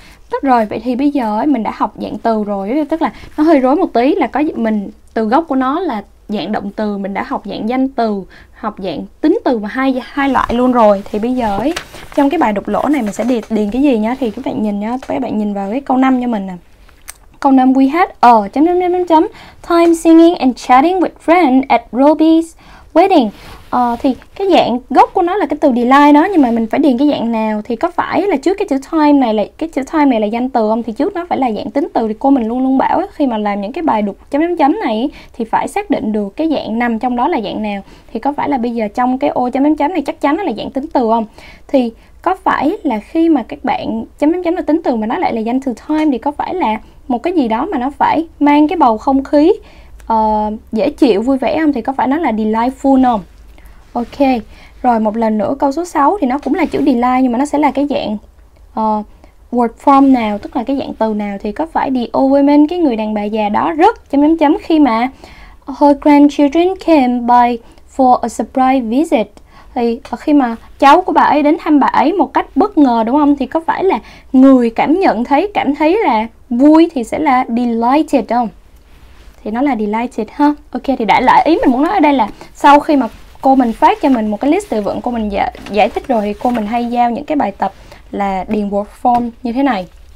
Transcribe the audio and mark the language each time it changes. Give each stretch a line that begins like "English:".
Vietnamese: Tức rồi, vậy thì bây giờ ấy, mình đã học dạng từ rồi, tức là nó hơi rối một tí, là có mình từ gốc của nó là dạng động từ, mình đã học dạng danh từ, học dạng tính từ và hai loại luôn rồi. Thì bây giờ ấy, trong cái bài đục lỗ này mình sẽ điền cái gì nhá. Thì các bạn nhìn nhá, các bạn nhìn vào cái câu 5 cho mình nè. Câu 5,
English: we had a time singing and chatting with friend at Robbie's wedding.
Vietnamese: Thì cái dạng gốc của nó là cái từ delight đó, nhưng mà mình phải điền cái dạng nào? Thì có phải là trước cái chữ time này là cái chữ time này là danh từ không? Thì trước nó phải là dạng tính từ. Thì cô mình luôn luôn bảo ấy, khi mà làm những cái bài đục .. này thì phải xác định được cái dạng nằm trong đó là dạng nào. Thì có phải là bây giờ trong cái ô .. này chắc chắn nó là dạng tính từ không? Thì có phải là khi mà các bạn .. là tính từ mà nó lại là danh từ time, thì có phải là một cái gì đó mà nó phải mang cái bầu không khí dễ chịu, vui vẻ không? Thì có phải nó là delightful không? Ok, rồi một lần nữa câu số 6 thì nó cũng là chữ delight, nhưng mà nó sẽ là cái dạng word form nào, tức là cái dạng từ nào? Thì có phải
English: the old woman,
Vietnamese: cái người đàn bà già đó rất ..
English: khi mà her grandchildren came by for a surprise visit.
Vietnamese: Thì khi mà cháu của bà ấy đến thăm bà ấy một cách bất ngờ đúng không? Thì có phải là người cảm thấy là vui thì sẽ là delighted không? Thì nó là delighted ha. Ok, thì đại loại ý mình muốn nói ở đây là sau khi mà cô mình phát cho mình một cái list từ vựng, cô mình giải thích rồi, thì cô mình hay giao những cái bài tập là điền word form như thế này.